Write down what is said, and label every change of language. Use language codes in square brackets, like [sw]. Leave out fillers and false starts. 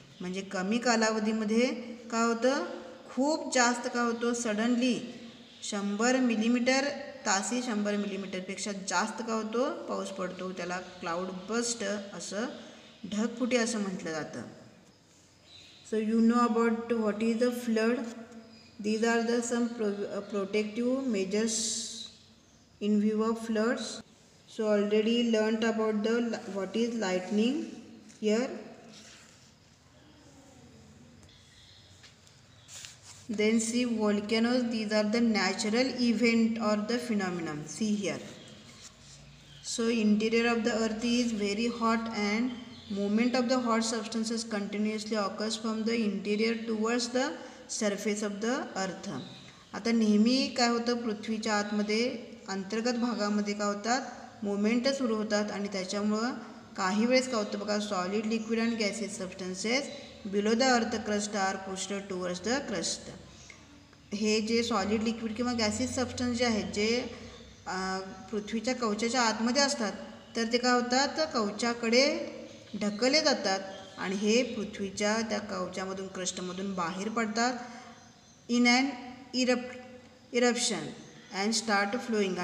[mr] म्हणजे कमी कालावधीमध्ये काय होतं, खूप जास्त काय होतो, सडनली 100 millimeter, तासी 100 millimeter पेक्षा जास्त काय होतो, पाऊस पडतो, त्याला cloudburst असं, ढगफुटी असं म्हटलं जातं. [en] So you know about what is the flood. These are the some protective measures in view of floods. So already learnt about the what is lightning here. Then see volcanoes. These are the natural event or the phenomenon. See here. So interior of the earth is very hot and movement of the hot substances continuously occurs from the interior towards the surface of the earth. [mr] आता नेहमी काय होतं, पृथ्वीच्या आतमध्ये अंतर्गत भागामध्ये काय होतात, मुवमेंट सुरू होतात आणि त्याच्यामुळं काही वेळेस काय होतं बघा, [en] Solid liquid and gases substances below the earth crust are pushed towards the crust. [mr] हे जे सॉलिड लिक्विड किंवा गॅसेस सबस्टन्स जे आहेत जे पृथ्वीच्या कवचाच्या आतमध्ये असतात तर ते काय होतात, कवचाकडे ढकलले जातात आणि हे पृथ्वीच्या त्या कवचामधून क्रस्टमधून बाहेर पडतात [en] In and eruption and start flowing.